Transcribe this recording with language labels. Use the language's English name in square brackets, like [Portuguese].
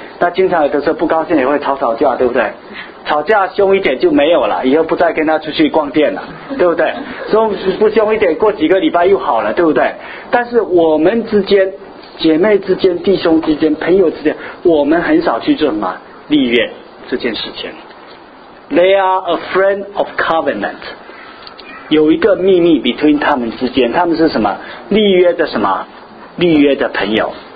[Chinese] 那经常有的时候不高兴也会吵吵架，对不对？吵架凶一点就没有了，以后不再跟他出去逛店了，对不对？说不凶一点，过几个礼拜又好了，对不对？但是我们之间。姐妹之间、弟兄之间、朋友之间，我们很少去做什么立约这件事情。 [English] They are a friend of covenant. [Chinese] 有一个秘密 [English] between [Chinese] 他们之间，他们是什么立约的什么立约的朋友。